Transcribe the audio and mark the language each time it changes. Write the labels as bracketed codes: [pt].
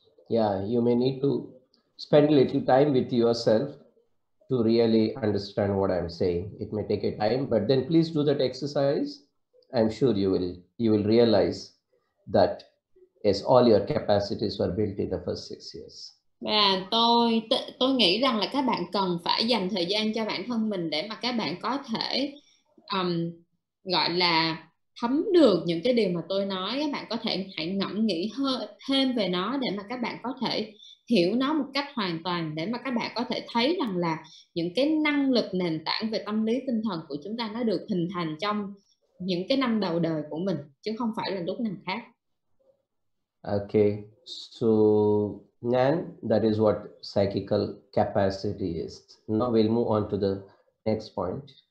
[en] Yeah, you may need to spend a little time with yourself to really understand what I'm saying. It may take a time, but then please do that exercise. I'm sure you will realize that yes, all your capacities were built in the first 6 years. [vi] Và tôi nghĩ rằng là các bạn cần phải dành thời gian cho bản thân mình để mà các bạn có thể gọi là thấm được những cái điều mà tôi nói. Các bạn có thể hãy ngẫm nghĩ thêm về nó để mà các bạn có thể hiểu nó một cách hoàn toàn, để mà các bạn có thể thấy rằng là những cái năng lực nền tảng về tâm lý tinh thần của chúng ta nó được hình thành trong những cái năm đầu đời của mình, chứ không phải là lúc nào khác. [en] Okay, so Ngan, that is what psychical capacity is. Now we'll move on to the next point.